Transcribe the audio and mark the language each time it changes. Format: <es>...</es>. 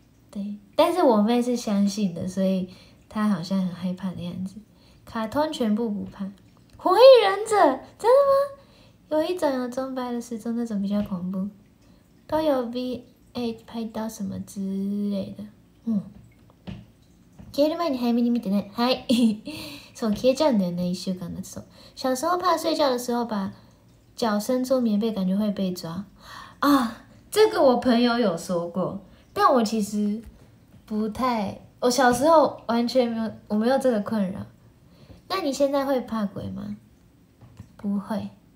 <zh>对，但是我妹是相信的，所以她好像很害怕的样子。卡通全部不怕。火影忍者真的吗？有一种有中白的时钟那种比较恐怖，都有 VH 拍到什么之类的。</zh> <ja>嗯，消える前に早めに見てね。はい。そう、消えちゃうんだよね、一週間だと。</ja> <zh>小时候怕睡觉的时候把脚伸出棉被，感觉会被抓。啊，这个我朋友有说过，但我其实不太，我小时候完全没有，我没有这个困扰。那你现在会怕鬼吗？不会。</zh>